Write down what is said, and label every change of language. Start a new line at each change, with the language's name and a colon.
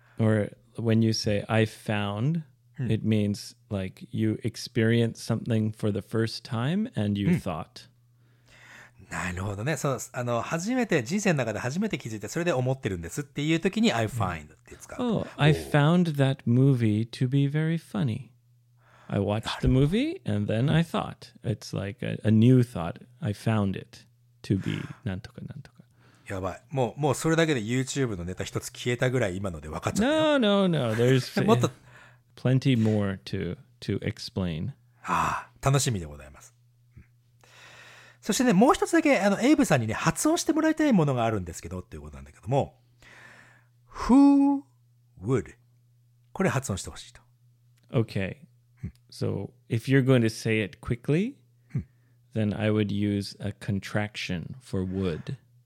English: Or when you say I found,、うん、it means like you experienced something for the first time and you、うん、thought.
Japanese: なるほどね。そう、初めて、人生の中で初めて気づいて、それで思ってるんですっていう時に、
English: I find
Japanese: って使う。
English: Oh, I found that movie to be very funny. I watched the movie and then I thought. It's like a new thought. I found it to be
Japanese: なんとかなんとか。やばい。もうそれだけで YouTube のネタ一つ消えたぐらい今ので分かっちゃった。
English: No, no, no. There's
Japanese: もっと
English: plenty more to explain.
Japanese: ああ、楽しみでございます。そしてね、もう一つだけ、エイブさんにね、発音してもらいたいものがあるんですけど、っていうことなんだけども、
English: who would?
Japanese: これ発音してほしいと。
English: Okay. So, if you're going to say it quickly, then I would use a contraction for would.